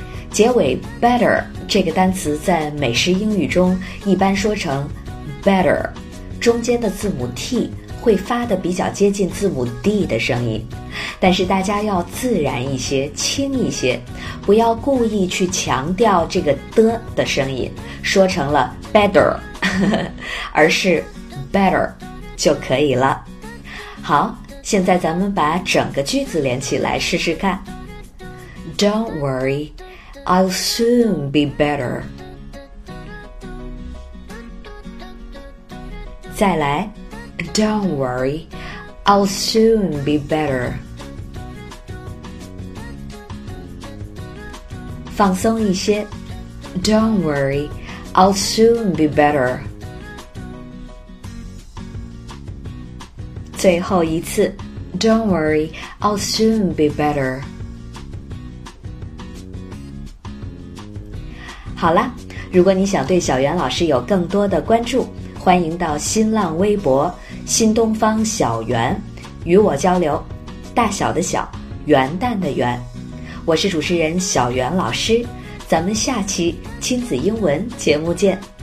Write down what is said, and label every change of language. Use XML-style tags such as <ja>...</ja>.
<zh>结尾 better 这个单词在美式英语中一般说成 better， 中间的字母 T 会发得比较接近字母 D 的声音，但是大家要自然一些，轻一些，不要故意去强调这个的的声音，说成了 better 而是 better 就可以了。好，现在咱们把整个句子连起来试试看。</zh> <en>Don't worry, I'll soon be better.</en> <zh>再来，</zh> <en>Don't worry, I'll soon be better.</en> <zh>放松一些，</zh> <en>Don't worry, I'll soon be better.</en> <zh>最后一次，</zh> <en>Don't worry, I'll soon be better.</en> <zh>好啦，如果你想对小袁老师有更多的关注，欢迎到新浪微博新东方小袁与我交流。大小的小，元旦的元，我是主持人小袁老师，咱们下期亲子英文节目见。</zh>